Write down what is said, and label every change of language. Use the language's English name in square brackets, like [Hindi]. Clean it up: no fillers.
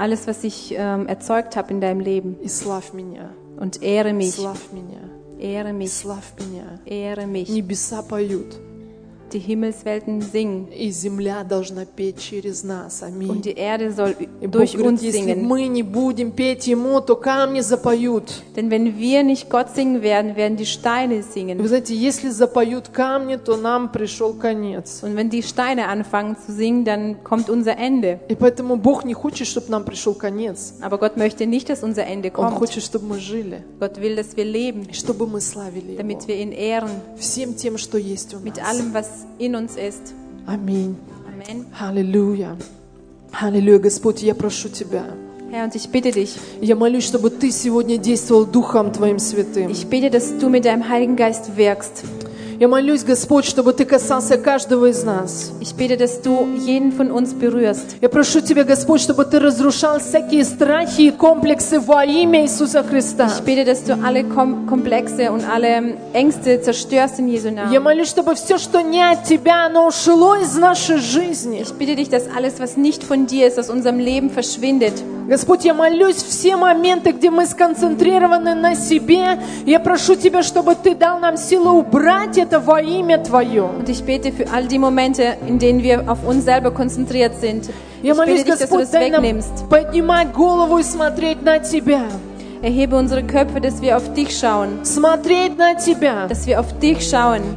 [German] Alles, was ich erzeugt habe in deinem Leben. [Russian] И славь меня. [German] Und ehre mich. [Russian] Славь меня. [German] Ehre mich. [Russian] Славь меня. [German] Ehre mich. [Russian] Небеса поют. [German] Die Himmelswelten singen. [Russian] И земля должна петь через нас. Аминь. [German] Und die Erde soll durch uns singen. [Russian] И Бог говорит, если мы не будем петь Ему, то камни запоют. [German] Denn wenn wir nicht Gott singen werden, werden die Steine singen. [Russian] Вы знаете, если запоют камни, то нам пришел конец. [German] Und wenn die Steine anfangen zu singen, dann kommt unser Ende. [Russian] И поэтому Бог не хочет, чтобы нам пришел конец. [German] Aber Gott möchte nicht, dass unser Ende kommt. [Russian] Он хочет, чтобы мы жили. [German] Gott will, dass wir leben. [Russian] И чтобы мы славили Его. [German] Damit wir ihn ehren. [Russian] Всем тем, что есть у нас. [German] Mit allem, was in uns ist. Amen. Amen. Halleluja. [Russian] Halleluja, Господь, я прошу тебя. [German] Herr, und ich bitte dich. [Russian] Я молюсь, чтобы ты сегодня действовал Духом твоим святым. [German] Ich bitte, dass du mit deinem Heiligen Geist wirkst. [Russian] Я молюсь, Господь, чтобы Ты касался каждого из нас. [German] Ich bitte, dass du jeden von uns berührst. [Russian] Я прошу Тебя, Господь, чтобы Ты разрушал всякие страхи и комплексы во имя Иисуса Христа. [German] Ich bitte, dass du alle Komplexe und alle Ängste zerstörst in Jesu Namen. [Russian] Я молюсь, чтобы все, что не от Тебя, оно ушло из нашей жизни. [German] Ich bitte dich, dass alles, was nicht von dir ist, aus unserem Leben verschwindet. [Russian] Господь, я молюсь, все моменты, где мы сконцентрированы на себе, я прошу Тебя, чтобы Ты дал нам силы убрать это во имя Твое. [German] Und ich bete für all die Momente, in denen wir auf uns selber konzentriert sind. [Russian] Я молюсь, Господь, дай нам поднимать голову и смотреть на Тебя. [German] Erhebe unsere Köpfe, dass wir auf dich schauen. [Russian] Смотреть на Тебя. [German] Dass wir auf dich schauen.